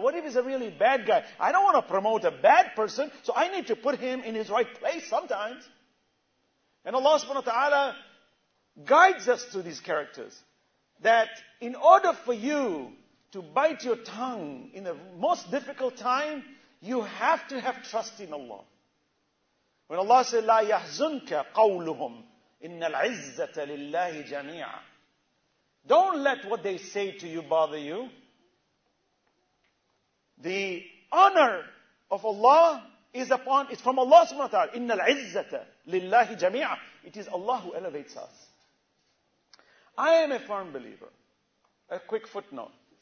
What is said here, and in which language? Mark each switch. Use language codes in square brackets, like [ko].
[en] What if he's a really bad guy? I don't want to promote a bad person, so I need to put him in his right place sometimes. And Allah subhanahu wa ta'ala guides us to these characters. That in order for you to bite your tongue in the most difficult time, you have to have trust in Allah. When Allah says, [ar] لَا يَحْزُنْكَ قَوْلُهُمْ إِنَّ الْعِزَّةَ لِلَّهِ جَمِيعًا. [en] Don't let what they say to you bother you. The honor of Allah is upon, it's from Allah subhanahu wa ta'ala. [ar] إِنَّ الْعِزَّةَ لِلَّهِ جَمِيعًا. [en] It is Allah who elevates us. I am a firm believer. A quick footnote.